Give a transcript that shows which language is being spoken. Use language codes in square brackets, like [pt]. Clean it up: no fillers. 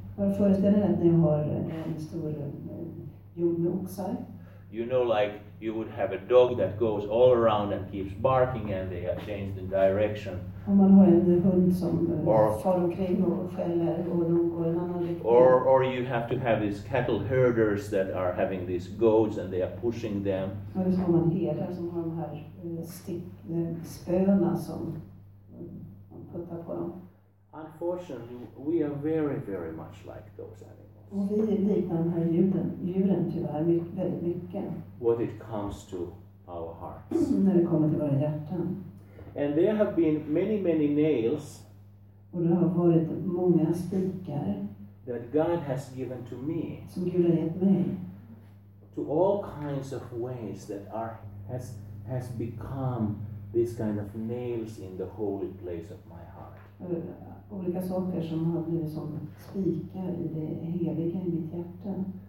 [sv] Bara föreställer att ni har en stor jord med oxar. [en] You know, like you would have a dog that goes all around and keeps barking and they have changed the direction. [sv] Om man har en hund som far omkring och skäller och de går en annan riktning. [en] Or you have to have these cattle herders that are having these goats and they are pushing them. [sv] Eller så har man herdar som har de här spöna som puttar på dem. [en] Unfortunately, we are very, very much like those animals. [sv] Och vi är lika de här djuren tyvärr väldigt mycket. [en] When it comes to our hearts. [sv] När det kommer till våra hjärtan. [en] And there have been many, many nails. [sv] Och det har varit många spikar. [en] That God has given to me. [sv] Som Gud har gett mig. [en] To all kinds of ways that has become these kind of nails in the holy place of my heart. [sv] Olika saker som har blivit som spikar i det heliga i mitt hjärta.